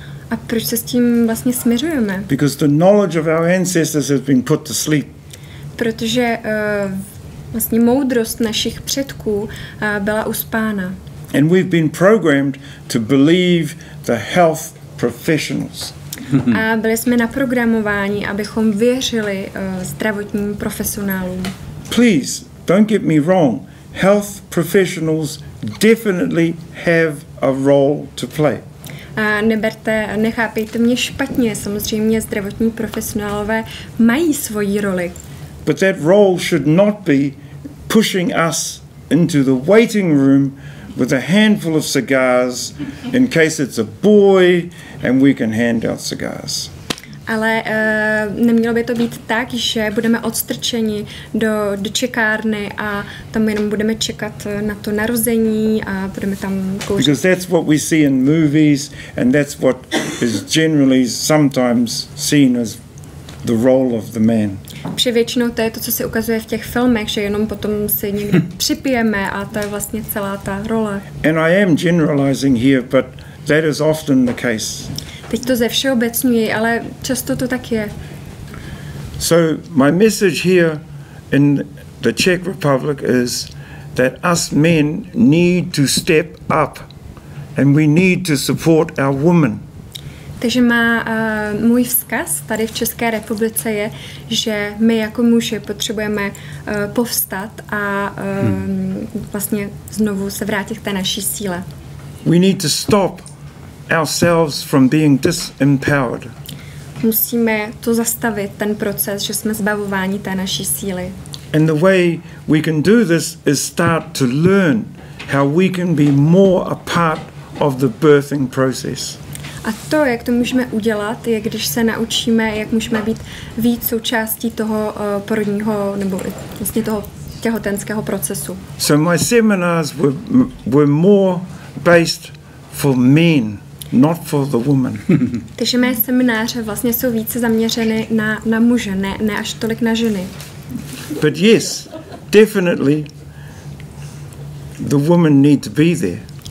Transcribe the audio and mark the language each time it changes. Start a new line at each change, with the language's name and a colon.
Czech: A proč se s tím vlastně smiřujeme?
English: Because the knowledge of our ancestors has been put to sleep.
Czech: Protože vlastně moudrost našich předků byla uspána.
English: And we've been programmed to believe the health professionals.
Czech: A byli jsme naprogramováni, abychom věřili zdravotním profesionálům.
English: Please, don't get me wrong. Health professionals definitely have a role to play.
Czech: A neberte, nechápejte mě špatně, samozřejmě zdravotní profesionálové mají svoji roli.
English: But that role should not be pushing us into the waiting room with a handful of cigars in case it's a boy and we can hand out cigars.
Czech: Ale nemělo by to být tak, že budeme odstrčeni do čekárny a tam jenom budeme čekat na to narození a budeme tam kouřit.
English: Because that's what we see in movies and that's what is generally sometimes seen as the role of the man.
Czech: Převětšinou to je to, co se ukazuje v těch filmech, že jenom potom si někdy připijeme a to je vlastně celá ta role.
English: And I am generalizing here, but that is often the case.
Czech: Teď to ze všeobecňuji, ale často to tak je.
English: So my message here in the Czech Republic is that us men need to step up and we need to support our women.
Czech: Takže má můj vzkaz tady v České republice je, že my jako muži potřebujeme povstat a vlastně znovu se vrátit k té naší síle.
English: We need to stop ourselves from being disempowered.
Czech: Musíme to zastavit, ten proces, že jsme zbavováni té naší síly.
English: And the way we can do this is start to learn how we can be more a part of the birthing process.
Czech: A to, jak to můžeme udělat, je, když se naučíme, jak můžeme být víc součástí toho porodního, nebo vlastně toho těhotenského procesu.
English: So my seminars were more based for men, not for the woman.
Czech: Takže mé semináře vlastně jsou více zaměřeny na muže, ne až tolik na ženy.
English: But yes, definitely the woman needs to be there.